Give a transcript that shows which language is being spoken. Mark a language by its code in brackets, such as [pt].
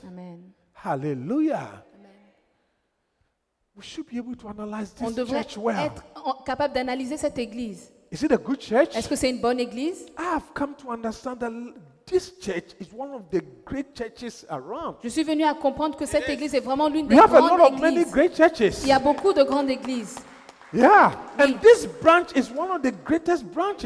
[en] Amen. Hallelujah. We should be able to analyze this [fr] on devrait [en] church well. [fr] Être capable d'analyser cette église. [en] Is it a good church? [fr] Est-ce que c'est une bonne église? [en] I've come to understand that this church is one of the great churches around. [fr] Je suis venu à comprendre que cette église est vraiment l'une [en] we [fr] des [en] have [fr] grandes [en] a lot of [fr] églises. [en] Many great churches. [fr] Il y a beaucoup de grandes églises. [en] Yeah, [fr] oui. [en] And this branch is one of the greatest branches.